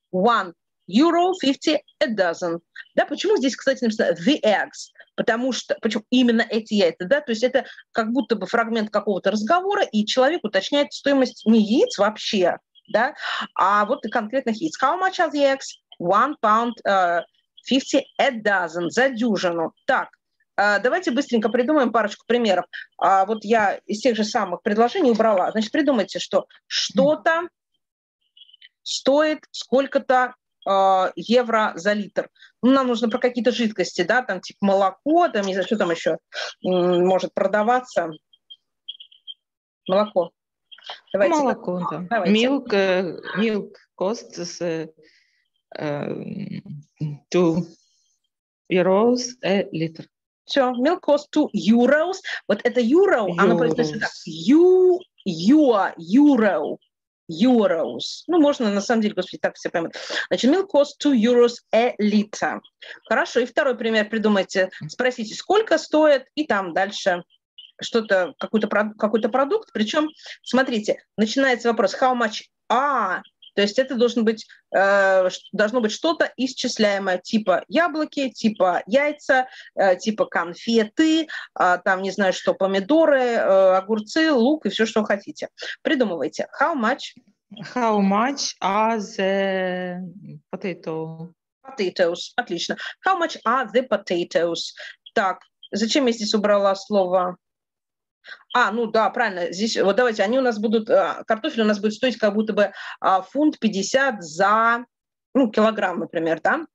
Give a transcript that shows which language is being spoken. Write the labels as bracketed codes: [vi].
[en] One euro 50 a dozen. [ru] Да, почему здесь, кстати, написано the eggs? Потому что, почему именно эти яйца, да, то есть это как будто бы фрагмент какого-то разговора, и человек уточняет стоимость не яиц вообще, да, а вот и конкретных яиц. [en] How much are the eggs? One pound 50 a dozen, [ru] за дюжину. Так, давайте быстренько придумаем парочку примеров. Вот я из тех же самых предложений убрала. Значит, придумайте, что что-то стоит сколько-то евро за литр. Ну, нам нужно про какие-то жидкости, да, там типа молоко, там не знаю, что там еще может продаваться. Молоко. Давайте молоко, так. Да. Давайте. [en] Milk, milk costs 2 euros a liter. Все, milk costs 2 euros. [ru] Вот это euro, euros. Оно произносится так. Euro. Euros. Ну, можно, на самом деле, господи, так все поймут. [en] Значит, milk costs 2 euros a liter. [ru] Хорошо, и второй пример придумайте. Спросите, сколько стоит, и там дальше что-то, какой-то продукт. Причем, смотрите, начинается вопрос, [en] how much are? [ru] То есть это должно быть что-то исчисляемое, типа яблоки, типа яйца, типа конфеты, там, не знаю что, помидоры, огурцы, лук и все, что хотите. [en] Придумывайте. How much? How much are the potatoes? [ru] Potatoes, отлично. [en] How much are the potatoes? [ru] Так, зачем я здесь убрала слово? А, ну да, правильно, здесь, вот давайте, они у нас будут, картофель у нас будет стоить как будто бы фунт 50 за, ну, килограмм, например, да?